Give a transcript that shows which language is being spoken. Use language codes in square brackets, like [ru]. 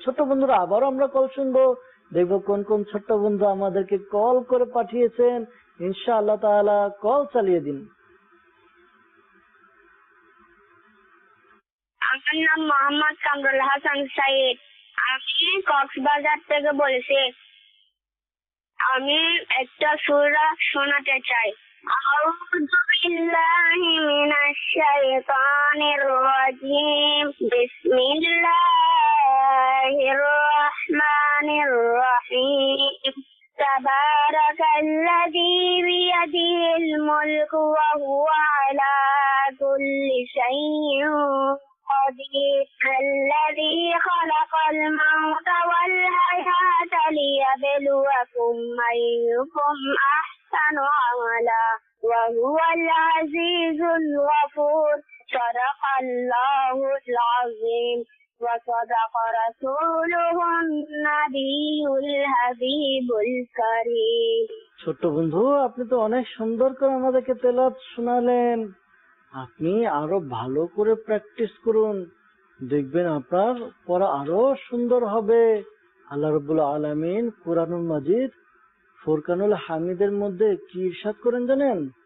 [bn] ছোট বন্ধুরা, আবারও আমরা কল শুনবো, দেখবো কোন কোন ছোট্ট বন্ধু আমাদেরকে কল করে পাঠিয়েছেন। ইনশাআল্লাহ তাআলা কল চালিয়ে দিন। আমার নাম মোহাম্মদ কামরুল হাসান সাইদ, আমি কক্সবাজার থেকে বলছি। আমি একটা সুরা শোনাতে চাই। [ar] أعوذ بالله من الشيطان الرجيم بسم الله الرحمن الرحيم تبارك الذي بيده الملك وهو على كل شيء قدير الذي خلق الموت والحياة ليبلوكم أيكم أحسن عملا وهو العزيز الغفور صدق الله العظيم وصدق رسوله النبي الحبيب الكريم। [bn] ছোট বন্ধু, আপনি তো অনেক সুন্দর করে আমাদেরকে তেলাওয়াত শুনালেন, আপনি আরো ভালো করে প্র্যাকটিস করুন, দেখবেন আপনার পড়া আরো সুন্দর হবে। আল্লাহ রাব্বুল আলামিন কুরআনুল মাজিদ ফুরকানুল হামিদের মধ্যে কি ইরশাদ করেন জানেন?